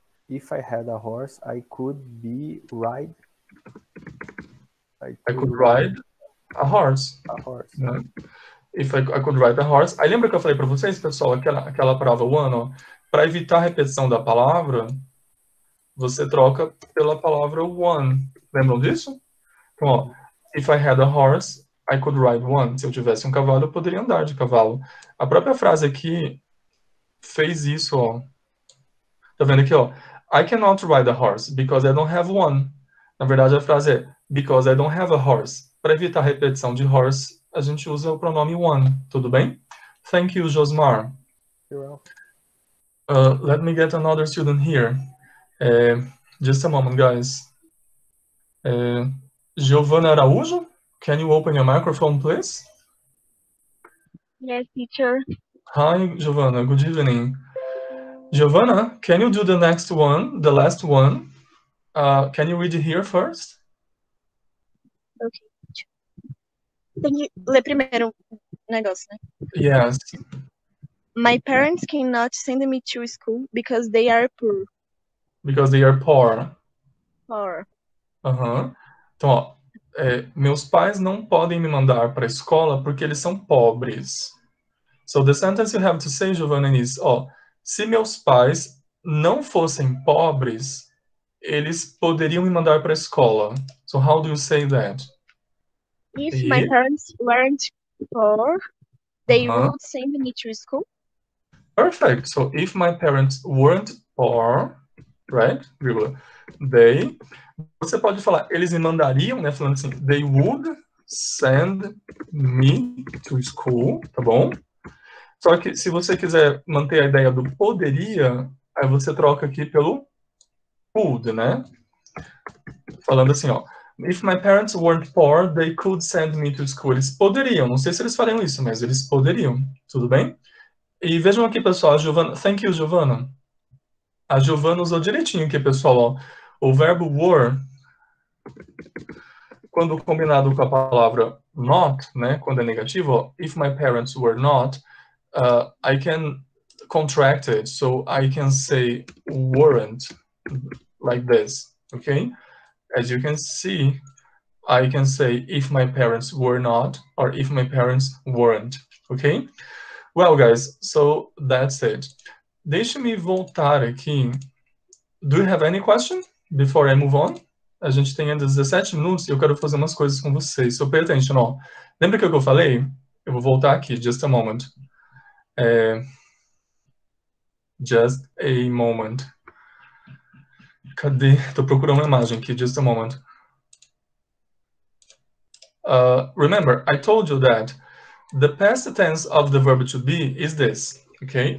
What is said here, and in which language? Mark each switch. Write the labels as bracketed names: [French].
[English] If I had a horse, I could ride a horse. A horse. [Portuguese] Né? [English] If I could ride a horse. [Portuguese] Aí lembra que eu falei para vocês, pessoal, aquela palavra one, para evitar a repetição da palavra, você troca pela palavra one. Lembram disso? Então, ó, [English] if I had a horse, I could ride one. [Portuguese] Se eu tivesse um cavalo, eu poderia andar de cavalo. A própria frase aqui fez isso, ó. Tá vendo aqui, ó? [English] I cannot ride a horse because I don't have one. [Portuguese] Na verdade, a frase é [English] because I don't have a horse. [Portuguese] Para evitar a repetição de horse, a gente usa o pronome one. Tudo bem? [English] Thank you, Josmar. You're welcome. Let me get another student here. Just a moment, guys. Giovanna Araújo, can you open your microphone, please? Yes, teacher. Hi, Giovanna. Good evening. Giovanna, can you do the next one, the last one? Can you read it here first? [Portuguese] Okay. Tem que ler primeiro o negócio, né? [English] Yes. My parents cannot send me to school because they are poor. Because they are poor. Poor. [Portuguese] Então, ó, meus pais não podem me mandar para a escola porque eles são pobres. [English] So the sentence you have to say, [Portuguese] Giovanna, is, ó, se meus pais não fossem pobres, eles poderiam me mandar para a escola. [English] So how do you say that? If my parents weren't poor, they would send me to school. Perfect. So if my parents weren't poor, right? [Portuguese] They. Você pode falar, eles me mandariam, né? Falando assim, [English] they would send me to school, [Portuguese] tá bom? Só que se você quiser manter a ideia do poderia, aí você troca aqui pelo could, né? Falando assim, ó. [English] If my parents weren't poor, they could send me to school. [Portuguese] Eles poderiam. Não sei se eles fariam isso, mas eles poderiam. Tudo bem? E vejam aqui, pessoal, a Giovanna. [English] Thank you, Giovanna. [Portuguese] A Giovanna usou direitinho aqui, pessoal, ó. O verbo were, quando combinado com a palavra not, né, quando é negativo, [English] if my parents were not, I can contract it, so I can say weren't, like this, okay? As you can see, I can say if my parents were not, or if my parents weren't, okay? Well, guys, so that's it. [Portuguese] Deixa-me voltar aqui. [English] Do you have any question? Before I move on, [Portuguese] a gente tem ainda 17 minutos e eu quero fazer umas coisas com vocês. [English] So pay attention, [Portuguese] ó. Lembra que eu falei? Eu vou voltar aqui, [English] just a moment. Just a moment. [Portuguese] Cadê? Tô procurando uma imagem aqui, [English] just a moment. Remember, I told you that the past tense of the verb to be is this, okay?